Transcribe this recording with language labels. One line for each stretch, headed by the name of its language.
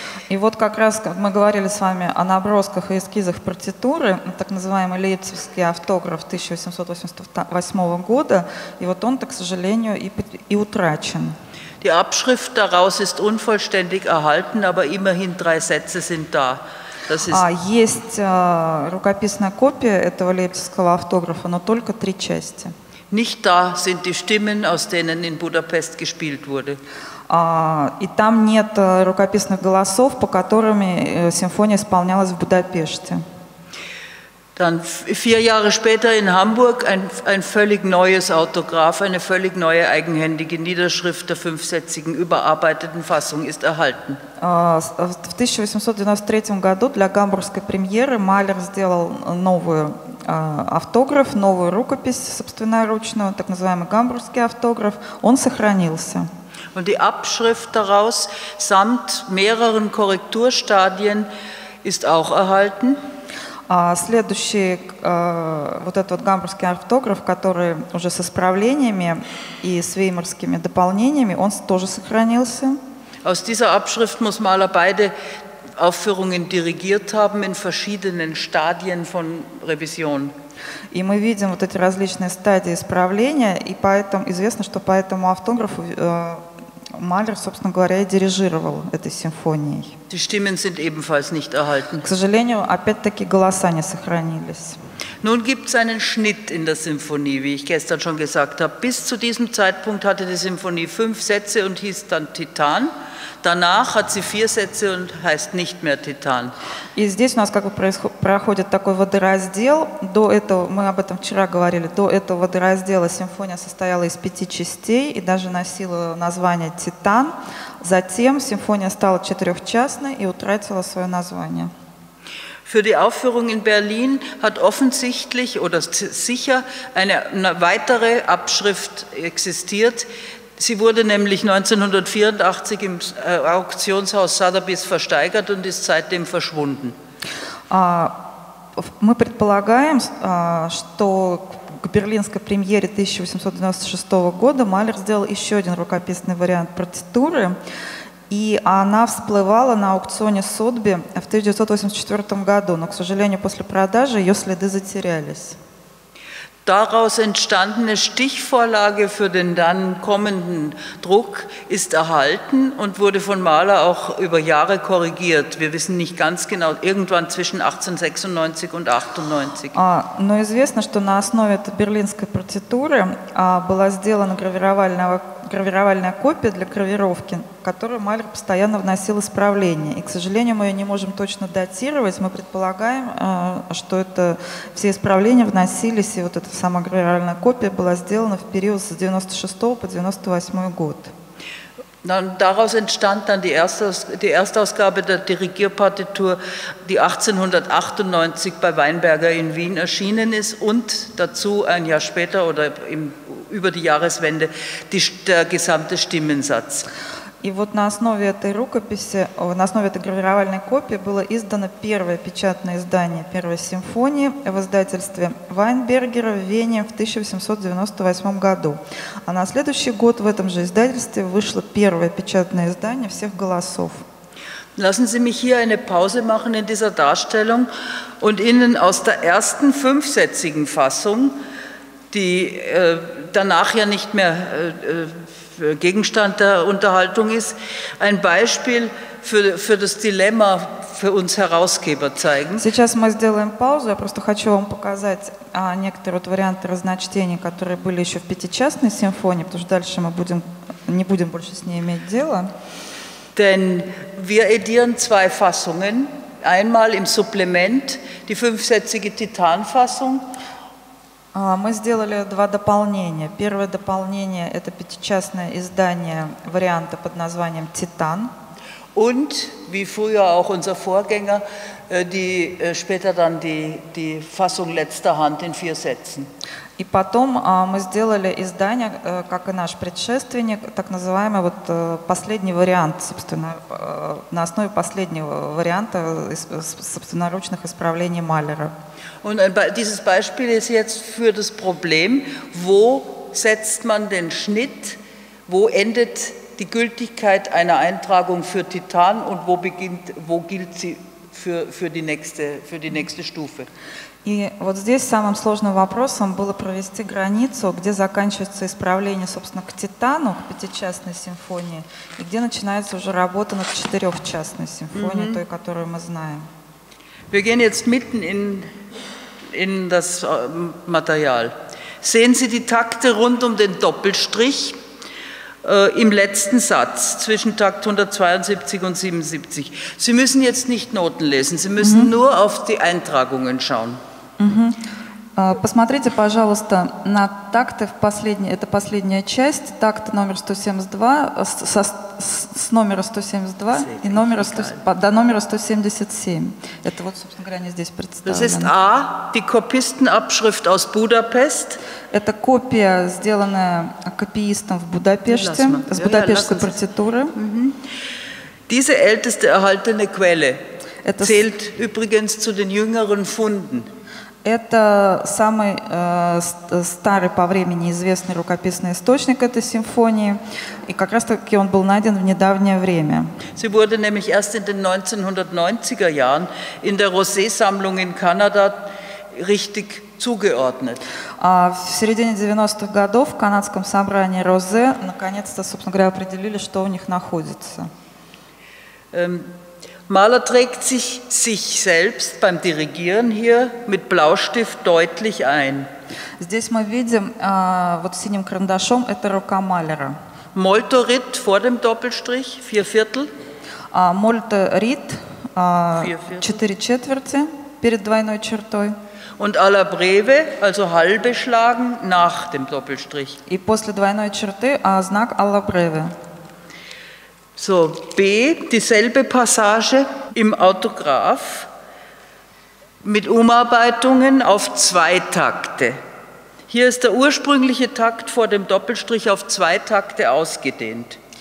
Russian: И вот как раз мы говорили с вами о набросках и эскизах партитуры, так называемый лейпцигский автограф 1888 года, и вот он-то, к сожалению, и утрачен.
German: Die Abschrift daraus ist unvollständig erhalten, aber immerhin drei Sätze sind da. Das ist
Russian: есть рукописная копия этого лейпцигского автографа, но только три части.
German: Nicht da sind die Stimmen, aus denen in Budapest gespielt wurde.
Russian: И там нет рукописных голосов, по которым симфония исполнялась в Будапеште.
German: Dann vier Jahre später in Hamburg ein völlig neues Autograph, eine völlig neue eigenhändige Niederschrift der fünfsätzigen überarbeiteten Fassung ist erhalten.
Russian: В 1893 году для гамбургской премьеры Малер сделал новую автограф, новую рукопись собственноручную, так называемый гамбургский автограф. Он сохранился.
German: Und die Abschrift daraus samt mehreren Korrekturstadien ist auch erhalten.
Russian: Следующий, вот этот вот гамбургский ортограф, который уже с исправлениями и с веймарскими дополнениями, он тоже сохранился.
German: Aus dieser Abschrift muss Mahler beide Aufführungen dirigiert haben in verschiedenen Stadien von Revision.
Russian: И мы видим вот эти различные стадии исправления, и поэтому известно, что по этому автографу Малер, собственно говоря, и дирижировал этой симфонией.
German: Die Stimmen sind ebenfalls nicht erhalten.
Russian: К сожалению, опять-таки голоса не сохранились.
German: Nun gibt's einen Schnitt in der Symphonie, wie ich gestern schon gesagt habe. Bis zu diesem Zeitpunkt hatte die Symphonie 5 Sätze und hieß dann Titan. Danach hat sie 4 Sätze und heißt nicht mehr Titan.
Russian: И здесь у нас как бы проходит такой водораздел. До этого, мы об этом вчера говорили, до этого водораздела симфония состояла из 5 частей и даже носила название Титан. Затем симфония стала 4-частной и утратила свое название.
German: Für die Aufführung in Berlin hat offensichtlich oder sicher eine weitere Abschrift existiert. Sie wurde nämlich 1984 im Auktionshaus Sotheby's versteigert und ist seitdem verschwunden.
Russian: Мы предполагаем, что к берлинской премьере 1896 года Малер сделал еще один рукописный вариант партитуры. И она всплывала на аукционе Сотби в 1984 году, но, к сожалению, после продажи ее следы затерялись.
German: Daraus entstandene Stichvorlage für den dann kommenden Druck ist erhalten und wurde von Mahler auch über Jahre korrigiert. Wir wissen nicht ganz genau, irgendwann zwischen 1896 und 98.
Russian: Но известно, что на основе этой берлинской партитуры была сделана гравировальная копия для гравировки, которую Малер постоянно вносил исправления. И, к сожалению, мы ее не можем точно датировать. Мы предполагаем, что это все исправления вносились, и вот эта сама гравировальная копия была сделана в период с 96 по 98 год.
German: Daraus entstand dann die Erstausgabe der Dirigierpartitur, die 1898 bei Weinberger in Wien erschienen ist und dazu ein Jahr später oder über die Jahreswende der gesamte Stimmensatz.
Russian: И вот на основе этой рукописи, на основе этой гравировальной копии было издано первое печатное издание первой симфонии в издательстве Вайнбергера в Вене в 1898 году. А на следующий год в этом же издательстве вышло первое печатное издание всех голосов.
German: Lassen Sie mich hier eine Pause machen in dieser Darstellung und Ihnen aus der ersten fünfsätzigen Fassung, die danach ja nicht mehr Gegenstand der Unterhaltung ist, ein Beispiel für das Dilemma für uns Herausgeber zeigen.
Russian: Сейчас мы сделаем паузу. Я просто хочу вам показать некоторые вот варианты разночтения, которые были еще в пятичастной симфонии, потому что дальше мы не будем больше с ней иметь дело.
German: Denn wir edieren zwei Fassungen, einmal im Supplement die fünfsätzige Titanfassung.
Russian: Мы сделали два дополнения. Первое дополнение – это пятичастное издание варианта под названием «Титан».
German: Und, wie früher auch unser Vorgänger, die später dann die Fassung letzter Hand in 4 Sätzen.
Russian: И потом мы сделали издание, как и наш предшественник, так называемый вот последний вариант, собственно, на основе последнего варианта собственноручных исправлений Малера.
German: Und dieses Beispiel ist jetzt für das Problem, wo setzt man den Schnitt, wo endet die Gültigkeit einer Eintragung für Titan und wo beginnt, wo gilt sie für die nächste Stufe.
Russian: И вот здесь самым сложным вопросом было провести границу, где заканчивается исправление, собственно, к Титану, к пятичастной симфонии, и где начинается уже работа над четырехчастной симфонией, той, которую мы знаем.
German: Wir gehen jetzt mitten in das Material. Sehen Sie die Takte rund um den Doppelstrich im letzten Satz zwischen Takt 172 und 77. Sie müssen jetzt nicht Noten lesen, Sie müssen nur auf die Eintragungen schauen.
Russian: Посмотрите, пожалуйста, на такты в последней, это последняя часть, такт номер 172, с номера 172 и номера 100, до номера 177. Это вот, собственно говоря, они здесь представлены.
German: Das ist A, die Kopistenabschrift aus Budapest.
Russian: Это копия, сделанная копиистом в Будапеште, с будапештской партитуры.
German: Diese älteste erhaltene Quelle.
Russian: Это
German: zählt übrigens zu den jüngeren Funden.
Russian: Это самый старый по времени известный рукописный источник этой симфонии, и как раз-таки он был найден в недавнее время.
German: Sie wurde nämlich erst in den 1990er Jahren in der Rosé-Sammlung in Kanada richtig zugeordnet.
Russian: В середине 90-х годов в канадском собрании Розе наконец-то, собственно говоря, определили, что у них находится.
German: Mahler trägt sich selbst beim Dirigieren hier mit Blaustift deutlich ein.
Russian: Здесь мы видим вот синим карандашом это рука Малера.
German: Moltorit vor dem Doppelstrich, vier Viertel.
Russian: Moltorit, четыре четверти перед двойной чертой.
German: Und à la breve, also halbe schlagen nach dem Doppelstrich.
Russian: И после двойной черты знак à la breve.
German: So, B, dieselbe Passage im Autograph mit Umarbeitungen auf zwei Takte. Hier ist der ursprüngliche Takt vor dem Doppelstrich auf zwei Takte ausgedehnt.